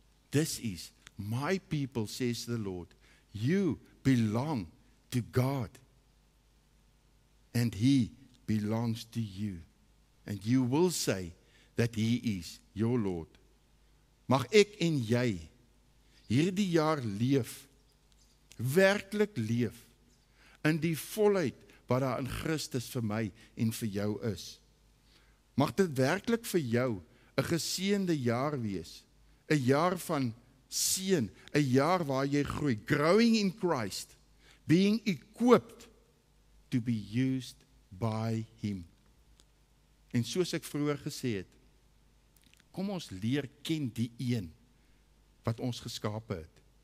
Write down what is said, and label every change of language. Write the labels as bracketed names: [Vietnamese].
[English] This is my people, says the Lord. You belong to God. And He belongs to you. And you will say that He is your Lord. [Afrikaans] Mag ek en jy hierdie jaar leef, werkelijk leef, in die volheid wat daar in Christus vir my en vir jou is. Mag dit werkelijk vir jou een geseënde jaar wees, een jaar van seën, een jaar waar jy groei, [English] growing in Christ, being equipped to be used by Him. [Afrikaans] En soos ek vroeger gesê het, kom ons leer ken die een wat ons geskapen het.